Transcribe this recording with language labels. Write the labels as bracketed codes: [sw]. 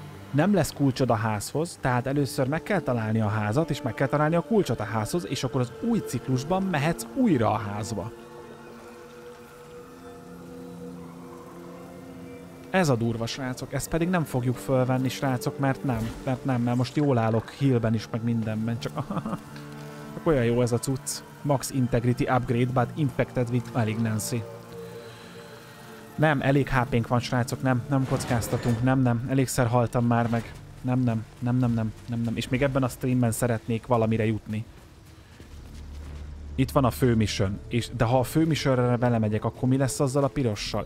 [hu] Nem lesz kulcsod a házhoz, tehát először meg kell találni a házat, és meg kell találni a kulcsot a házhoz, és akkor az új ciklusban mehetsz újra a házba. Ez a durva, srácok. Ezt pedig nem fogjuk fölvenni, srácok, mert nem, mert most jól állok healben is, meg mindenben, csak... Csak olyan jó ez a cucc. [en] Max integrity upgrade, but infected with malignancy. [hu] Nem, elég HP-nk van, srácok, nem kockáztatunk, nem, elégszer haltam már meg. Nem. És még ebben a streamben szeretnék valamire jutni. Itt van a fő mission, de ha a fő missionre belemegyek, akkor mi lesz azzal a pirossal?